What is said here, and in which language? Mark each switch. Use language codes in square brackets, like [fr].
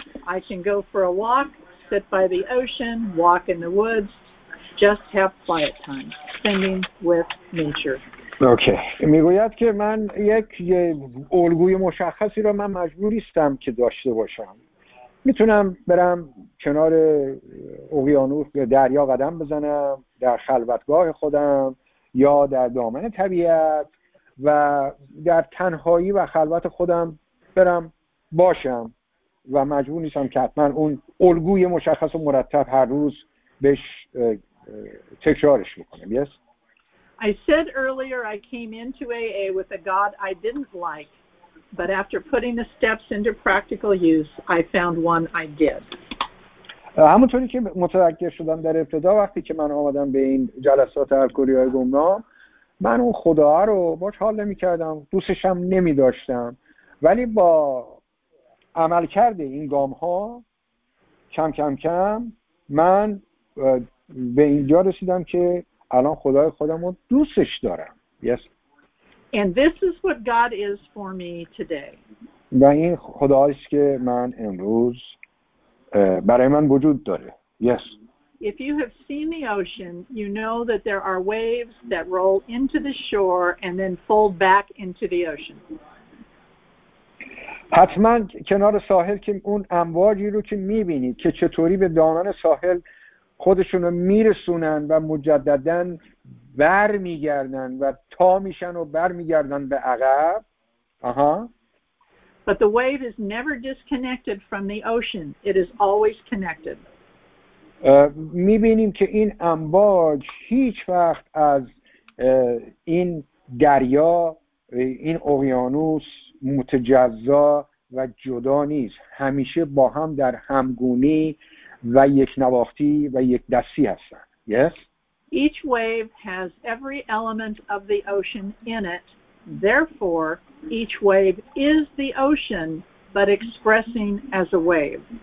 [en] I can go for a walk, sit by the ocean, walk in the woods, just have quiet time, spending with nature. Okay. [fa] میگوید که من یک الگوی مشخصی رو من مجبوریستم که داشته باشم. میتونم برم کنار اقیانوس یا دریا قدم بزنم، در خلوتگاه خودم یا در دامن طبیعت و در تنهایی و خلوت خودم برم باشم و مجبور نیستم که حتما اون الگوی مشخص و مرتب هر روز بهش تکرارش بکنم. [en] Yes. I said earlier I came into AA with a God I didn't like, but after putting the steps into practical use, I found one I did. [fa] همونطوری که متوجه شدم در ابتدا وقتی که من آمدم به این جلسات الکلی‌های گمنام، من اون خدا رو باش حال نمی کردم، دوستش هم نمی داشتم، ولی با عمل کرده این گام ها کم کم کم من به اینجا رسیدم که الان خدای خودم رو دوستش دارم. [en] Yes. And this is what God is for me today. [fa] و این خداییست که من امروز برای من وجود داره. [en] Yes. If you have seen the ocean, you know that there are waves that roll into the shore and then fold back into the ocean. [fa] حتما کنار ساحل که اون امواجی رو که می‌بینید که چطوری به دامن ساحل خودشون رو می‌رسونن و مجدداً برمیگردن و تا میشن و برمیگردن به عقب. [en] But the wave is never disconnected from the ocean. It is always connected. [fa] میبینیم که این امواج هیچ وقت از این دریا، این اقیانوس متجزا و جدا نیست. همیشه با هم در همگونی و یک نواختی و یک دستی هستن. [en] Yes. Each wave has every element of the ocean in it. Therefore, each wave is the ocean, but expressing as a wave.